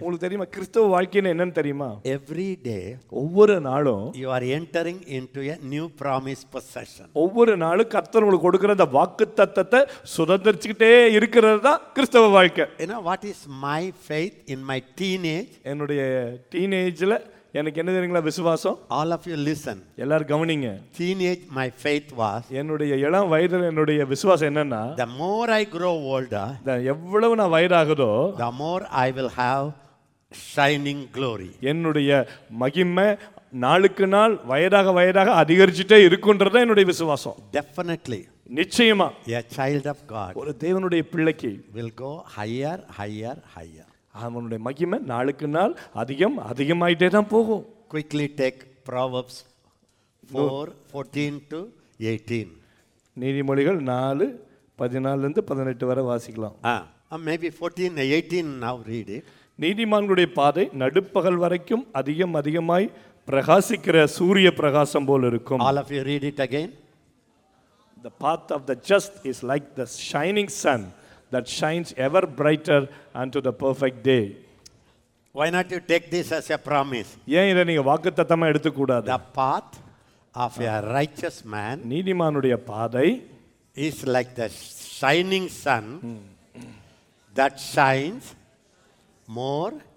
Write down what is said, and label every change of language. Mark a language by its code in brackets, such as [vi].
[ta] உங்களுக்கு தெரியுமா கிறிஸ்தவ வாழ்க்கைனா என்னன்னு தெரியுமா? [en] Every day, [ta] ஒவ்வொரு நாளும் [en] you are entering into a new promise possession. [ta] ஒவ்வொரு நாளும் கர்த்தர் உங்களுக்கு கொடுக்கிற அந்த வாக்குத்தத்தத்தை சுதந்தரிச்சிட்டே இருக்கிறதுதான் கிறிஸ்தவ வாழ்க்கை. [en] You know what is my faith in my teenage? [ta] என்னுடைய டீனேஜ்ல எனக்கு என்ன தெரியுங்களா விசுவாசம் [en] all of you listen [ta] எல்லாரும் கவனிங்க [en] teenage my faith was [ta] என்னுடைய இளம் வயதுல என்னுடைய விசுவாசம் என்னன்னா [en] the more I grow older [ta] the எவ்வளவு நான் வயதாகுதோ [en] the more I will have shining glory [ta] என்னுடைய மகிமை நாளுக்கு நாள் வயதாக வயதாக அதிகரிச்சிட்டே இருக்குன்றது என்னுடைய விசுவாசம் [en] definitely [ta] நிச்சயமா [en] a child of god [ta] ஒரு தேவனுடைய பிள்ளைக்கு [en] will go higher [ta] அவனுடைய மகிமை நாளுக்கு நாள் அதிகம் அதிகமாயிட்டே தான் போகும் [en] quickly take proverbs 4:14-18 [ta] நீதிமொழிகள் 4:14-18 வரை வாசிக்கலாம் [en] maybe 14:18 now read it [ta] நீதிமான்களுடைய பாதை நடுப்பகல் வரைக்கும் அதிகம் அதிகமாய் பிரகாசிக்கிற சூரிய பிரகாசம் போல இருக்கும் [en] all of you read it again the path of the just is like the shining sun that shines ever brighter unto the perfect day why not you take this as a promise [ta] yen idha neenga vaakkathathama eduthukoodad [en] the path of a righteous man [ta] neethimanudaiya paadai [en] is like the shining sun that shines more